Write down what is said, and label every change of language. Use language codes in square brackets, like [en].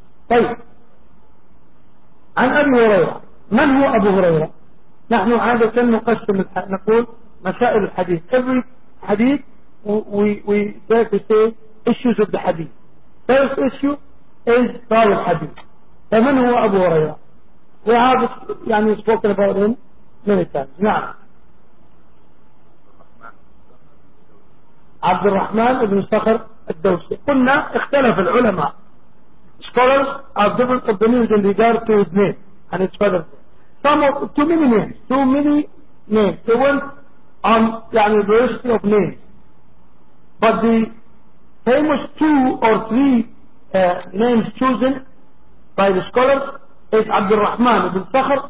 [ar] طيب عن أبي هريرة من هو أبو هريرة؟ نحن عادة نقسم نقول مسائل الحديث [en] every حديث we dare to say issues of the حديث. First issue is [ar] طال الحديث. فمن هو أبو هريرة؟ [en] We have spoken about him many times. [ar] نعم. عبد الرحمن بن صخر الدوسي. قلنا اختلف العلماء. [en] Scholars have different opinions in regard to his name and its father. Too many names. They went on diversity of names. But the famous two or three names chosen by the scholars is Abd al-Rahman ibn Sakhr.